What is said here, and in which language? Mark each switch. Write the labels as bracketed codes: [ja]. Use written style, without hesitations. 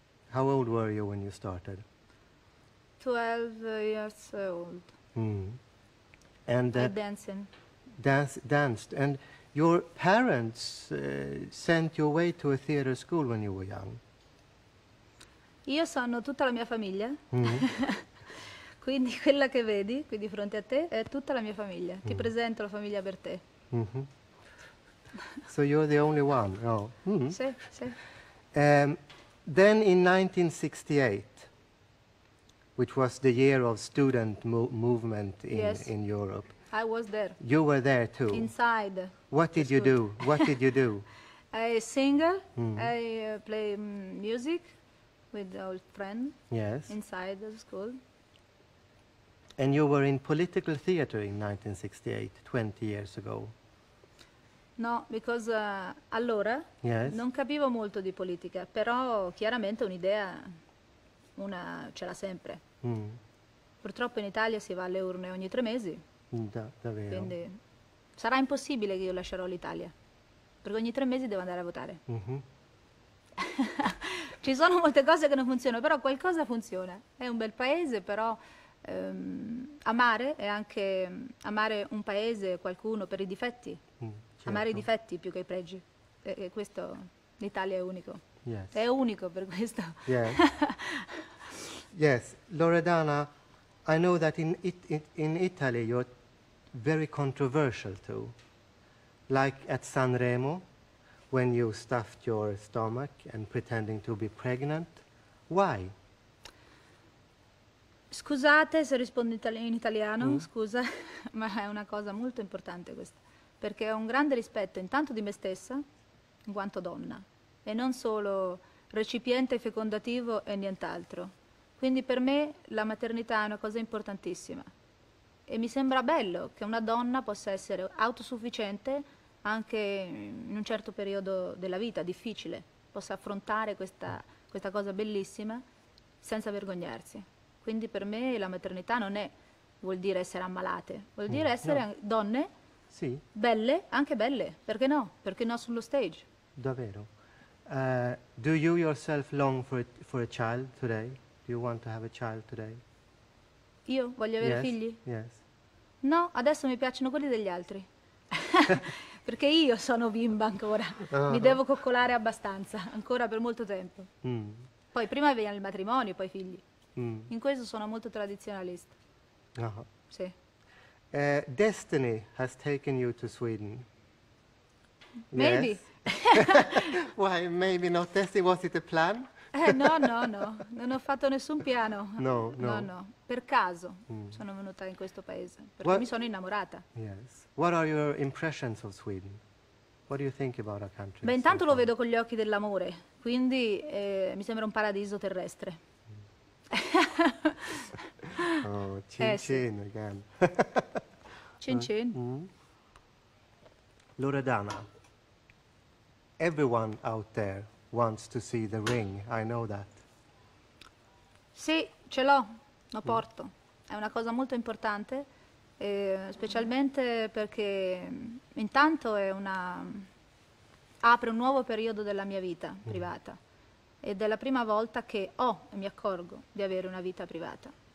[en] How old were you when you started? 12 years old. And dancing. Danced. And your parents sent you away to a theater school when you were young. [it] Io sono tutta la mia famiglia, quindi quella che vedi qui di fronte a te è tutta la mia famiglia. Ti presento la famiglia per te. [en] So you're the only one, no? [it] Sì, sì. [en] Then in 1968, which was the year of student movement in Europe. I was there. You were there too. Inside. What did you do? I sing, I play music. With the old friend, yes, inside the school. And you were in political theater in 1968, 20 years ago. No, because allora yes. [it] Non capivo molto di politica, però chiaramente un'idea, una ce l'ha sempre. Purtroppo in Italia si va alle urne ogni 3 mesi. Davvero. Quindi sarà impossibile che io lascerò l'Italia, perché ogni 3 mesi devo andare a votare. Ci sono molte cose che non funzionano, però qualcosa funziona. È un bel paese, però amare è anche amare un paese, qualcuno, per i difetti. Certo. Amare i difetti più che i pregi. E questo, l'Italia è unico. [en] Yes. [it] È unico per questo. [en] Yes. Yes. Loredana, I know that in Italy you're very controversial too. Like at Sanremo. When you stuffed your stomach and pretending to be pregnant, why? [it] Scusate se rispondo in italiano, scusa, ma è una cosa molto importante questa. Perché ho un grande rispetto intanto di me stessa, in quanto donna, e non solo recipiente fecondativo e nient'altro. Quindi per me la maternità è una cosa importantissima. E mi sembra bello che una donna possa essere autosufficiente anche in un certo periodo della vita difficile, possa affrontare questa cosa bellissima senza vergognarsi. Quindi per me la maternità non è vuol dire essere ammalate, vuol dire essere donne, sì. Belle, anche belle, perché no? Perché no sullo stage? Davvero. [en] Do you yourself long for a child today? Do you want to have a child today? [it] Io? Voglio avere figli? [en] Yes. [it] No, adesso mi piacciono quelli degli altri. Perché io sono bimba ancora, mi devo coccolare abbastanza, ancora per molto tempo. Poi prima viene il matrimonio, poi i figli. In questo sono molto tradizionalista. Sì. [en] Destiny has taken you to Sweden. Maybe. Yes. Why, maybe not destiny, was it a plan? [it] No, non ho fatto nessun piano. No. Per caso sono venuta in questo paese, perché mi sono innamorata. [en] Yes. What are your impressions of Sweden? What do you think about our country? [it] Beh, intanto lo vedo con gli occhi dell'amore, quindi mi sembra un paradiso terrestre. [en] Oh, cin cin again. Cin cin. Loredana, everyone out there wants to see the ring, I know that. [it] Sì, ce l'ho, lo porto. È una cosa molto importante, specialmente perché intanto è una... apre un nuovo periodo della mia vita privata. Ed è la prima volta che ho e mi accorgo di avere una vita privata.